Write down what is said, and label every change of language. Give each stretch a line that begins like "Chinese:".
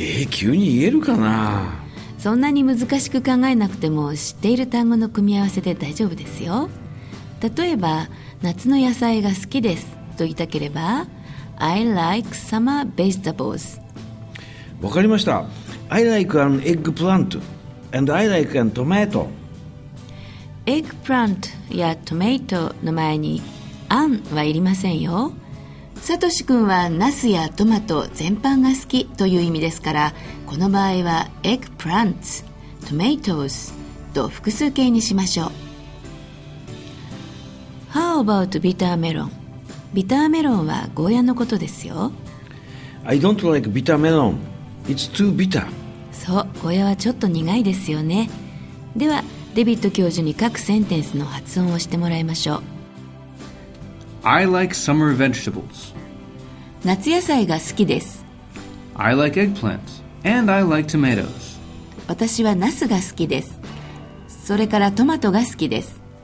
Japanese: 急に言えるかな。そんなに難しく考えなくても、知っている単語の組み合わせで大丈夫ですよ。例えば夏の野菜が好きですと言いたければ
English: I like summer vegetables。
Japanese: わかりました。
English: I like an eggplant and I like a tomato。
Japanese: eggplant や tomato の前に an はいりませんよ。サトシ君はナスやトマト全般が好きという意味ですから、この場合は eggplants、tomatoes と複数形にしましょう。
English: How about bitter melon?
Japanese: ビターメロンはゴーヤのことですよ。
English: I don't like bitter melon. It's too bitter.
Japanese: そう、ゴーヤはちょっと苦いですよね。ではデビッド教授に各センテンスの発音をしてもらいましょう。
English: I like summer vegetables.
Japanese: 夏野菜が好きです。
English: I like eggplants and I like tomatoes.
Japanese: 私はナスが好きです。それからトマトが好きです。